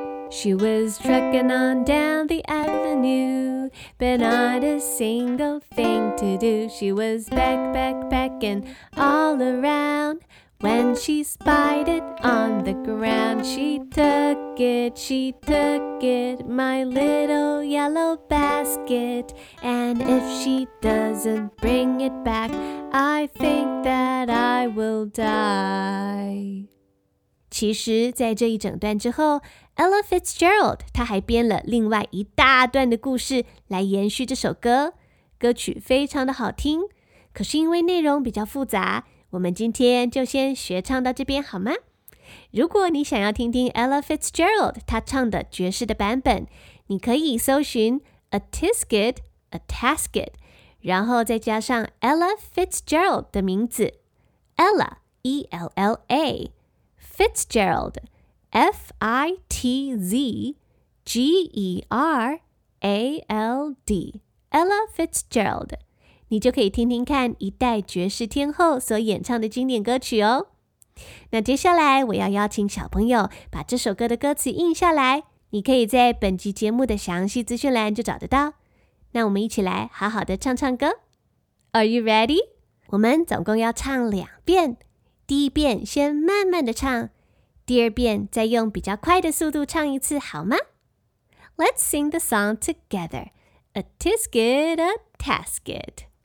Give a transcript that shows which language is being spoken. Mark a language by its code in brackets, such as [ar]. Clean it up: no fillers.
[en] She was trekking on down the avenue, but not a single thing to do. She was peck, peck, pecking all around. When she spied it on the ground, she took it, my little yellow basket. And if she doesn't bring it back, I think that I will die. [zh] 其实在这一整段之后Ella Fitzgerald 她还编了另外一大段的故事来延续这首歌歌曲非常的好听可是因为内容比较复杂我们今天就先学唱到这边好吗如果你想要听听 Ella Fitzgerald 她唱的爵士的版本你可以搜寻 A Tisket, A Tasket 然后再加上 Ella Fitzgerald 的名字 Ella, E-L-L-A FitzgeraldF-I-T-Z-G-E-R-A-L-D Ella Fitzgerald 你就可以听听看一代爵士天后所演唱的经典歌曲哦那接下来我要邀请小朋友把这首歌的歌词印下来你可以在本集节目的详细资讯栏就找得到那我们一起来好好的唱唱歌 [en] Are you ready? [zh] 我们总共要唱两遍第一遍先慢慢的唱第二遍再用比较快的速度唱一次好吗 [en] Let's sing the song together [zh] A Tisket, A Tasket